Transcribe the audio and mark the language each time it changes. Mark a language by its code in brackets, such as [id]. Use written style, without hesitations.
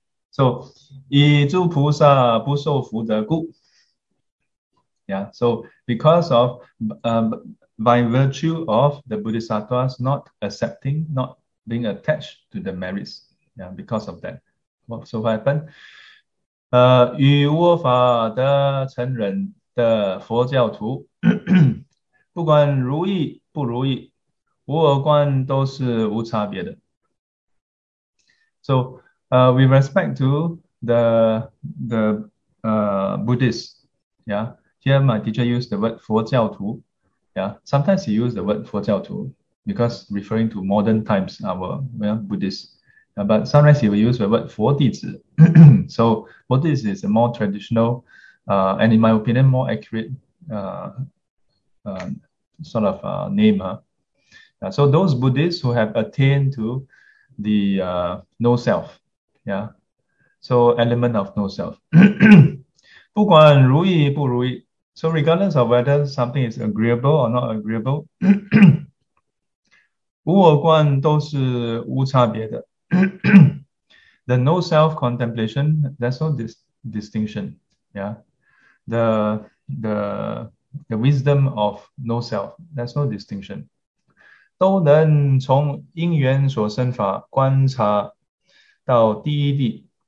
[zh] So, 以诸菩萨不受福德故. [en] Yeah, so because of by virtue of the Bodhisattvas not accepting, not being attached to the merits, yeah, because of that. So what happened? [zh] 与我法的成人的佛教徒, 不管如意不如意, 无我观都是无差别的. [en] So with respect to the Buddhists, yeah, here my teacher used the word 佛教徒. Yeah, sometimes he used the word 佛教徒 because referring to modern times, our Buddhists. But sometimes he will use the word 佛弟子.So, Buddhist is a more traditional and, in my opinion, more accurate sort of name. So, those Buddhists who have attained to the no self, yeah, so element of no self. [zh] 不管如意不如意, [en] So regardless of whether something is agreeable or not agreeable, [zh] 无我观都是无差别的. [en] The no self contemplation, there's no distinction. Yeah. The wisdom of no self, there's no distinction. [zh] 都能从因缘所生法观察到第一谛.